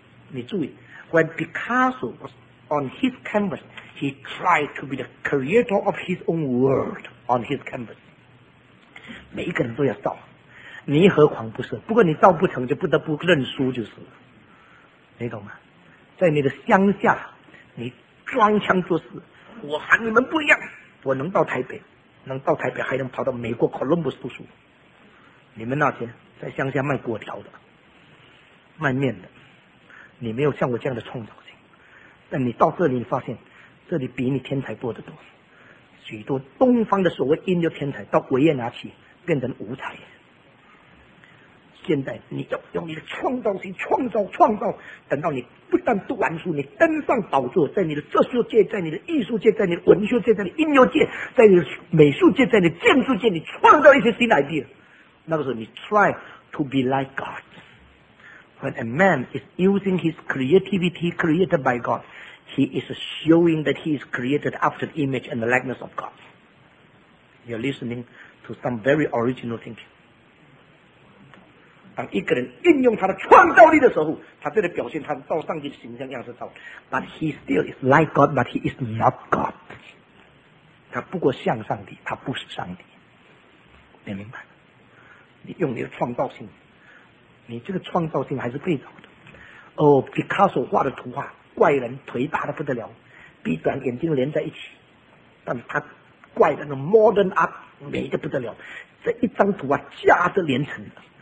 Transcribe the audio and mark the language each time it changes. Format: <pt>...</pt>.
<zh>你注意</zh> <en>when Picasso was on his canvas, he tried to be the creator of his own world on his canvas.</en> <zh>每一个人都要造，你何况不是，不过你造不成就不得不认输就是了，你懂吗？在你的乡下你装腔作势，我和你们不一样，我能到台北，能到台北还能跑到美国 Columbus 读书。你们那些在乡下卖果条的卖面的，你没有像我这样的创造性，但你到这里你发现这里比你天才多得多，许多东方的所谓音乐天才到维也纳去变成无才。现在你要用你的创造性创造创造，等到你不但读完书，你登上宝座，在你的哲学界，在你的艺术界，在你的文学界，在你的音乐界，在你的美术界，在你的建筑界，你创造一些新 idea，那个时候你</zh> <en>try to be like God. When a man is using his creativity created by God, he is showing that he is created after the image and the likeness of God. You're listening to some very original thinking.</en> <zh>当一个人运用他的创造力的时候，他这里表现他照上帝的形象样式造。</zh> <en>But he still is like God, but he is not God.</en> <zh>他不过像上帝，他不是上帝。你明白？你用你的创造性，你这个创造性还是被造的。哦，毕卡索画的图画，怪人腿大的不得了，鼻短眼睛连在一起，但他怪人的 modern art 美的不得了，这一张图啊价值连城的。</zh>